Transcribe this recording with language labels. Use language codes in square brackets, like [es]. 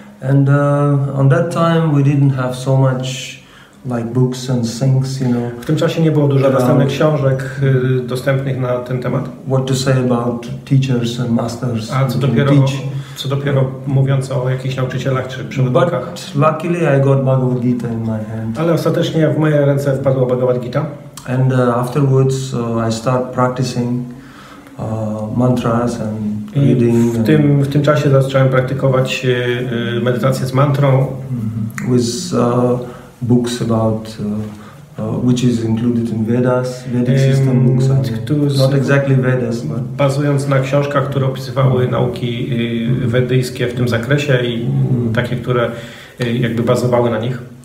[en] And on that time we didn't have so much like books and things, you know. [pl] W tym czasie nie było dużo dostępnych książek dostępnych na ten temat. [en] What to say about teachers and masters? [pl] A co dopiero mówiąc o jakichś nauczycielach czy przewodnikach. [en] But luckily I got Bhagavad Gita in my hand. [pl] Ale ostatecznie w moje ręce wpadła Bhagavad Gita. [en] And afterwards I start practicing mantras and reading. [pl] W tym czasie zacząłem praktykować medytację z mantrą. [en] With books about which is included in Vedas, Vedic system books, not exactly Vedas, but [pl] bazując na książkach, które opisywały nauki wedyjskie w tym zakresie i takie, które jakby bazowały na nich.